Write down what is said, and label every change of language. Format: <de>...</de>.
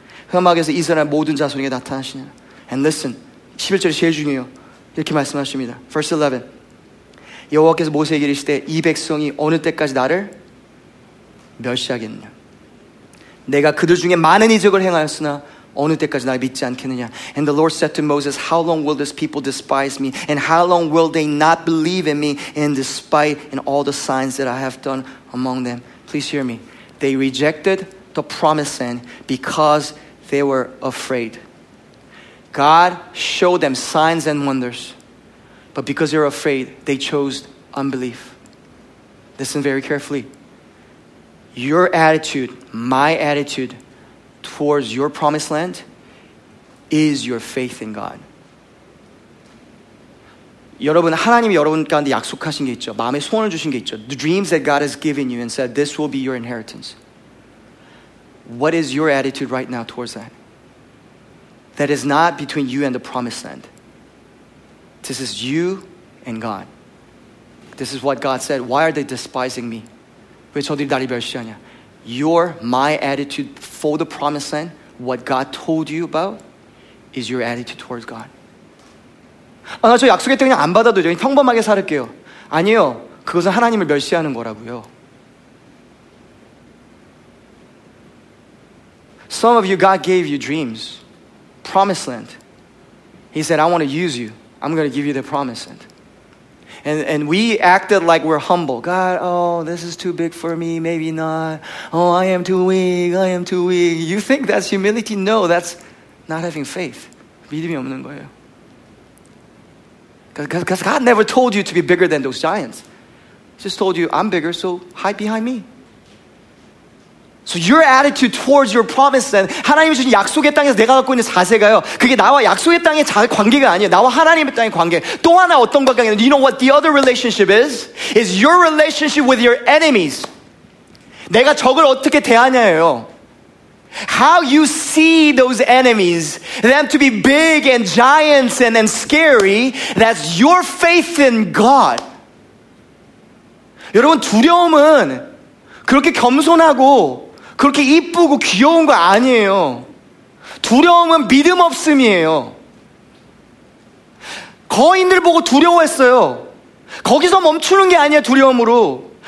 <ko>흑암에서 이스라엘 모든 자손에게 나타나시니라.</ko> <en>And listen.</en> <ko>11절이 제일 중요해요. 이렇게 말씀하십니다.</ko> <en>Verse 11.</en> <ko>여호와께서 모세에게 이르시되 이 백성이 어느 때까지 나를 멸시하겠느냐. 내가 그들 중에 많은 이적을 행하였으나 어느 때까지 나를 믿지 않겠느냐.</ko> <en>And the Lord said to Moses, How long will this people despise me? And how long will they not believe in me in despite in all the signs that I have done among them? Please hear me. They rejected the promised land because they were afraid. God showed them signs and wonders. But because they were afraid, they chose unbelief. Listen very carefully. Your attitude, my attitude towards your promised land is your faith in God.</en> <ko>여러분, 하나님이 여러분 가운데 약속하신 게 있죠. 마음에 소원을 주신 게 있죠.</ko> <en>The dreams that God has given you and said, this will be your inheritance. What is your attitude right now towards that? That is not between you and the promised land. This is you and God. This is what God said. Why are they despising me?</en> <ko>왜 저들이 나를 멸시하냐?</ko> <en>Your, my attitude for the promised land, what God told you about, is your attitude towards God.</en> <ko>아, 나 저 약속의 땅 그냥 안 받아도 돼요. 평범하게 살을게요. 아니요, 그것은 하나님을 멸시하는 거라고요.</ko> <en>Some of you, God gave you dreams, promised land. He said, I want to use you. I'm going to give you the promised land. And we acted like we're humble. God, oh, this is too big for me. Maybe not. Oh, I am too weak. I am too weak. You think that's humility? No, that's not having faith.</en> <ko>믿음이 없는 거예요.</ko> <en>Because God never told you to be bigger than those giants. He just told you, I'm bigger, so hide behind me. So your attitude towards your promise then,</en> <ko>하나님이 주신 약속의 땅에서 내가 갖고 있는 자세가요. 그게 나와 약속의 땅의 관계가 아니에요. 나와 하나님의 땅의 관계. 또 하나 어떤 관계가 있는지.</ko> <en>You know what the other relationship is? Is your relationship with your enemies.</en> <ko>내가 적을 어떻게 대하냐예요.</ko> <en>How you see those enemies, them to be big and giants and scary, that's your faith in God.</en> <ko>여러분 두려움은 그렇게 겸손하고 그렇게 이쁘고 귀여운 거 아니에요. 두려움은 믿음 없음이에요. 거인들 보고 두려워했어요. 거기서 멈추는 게 아니야, 두려움으로.</ko>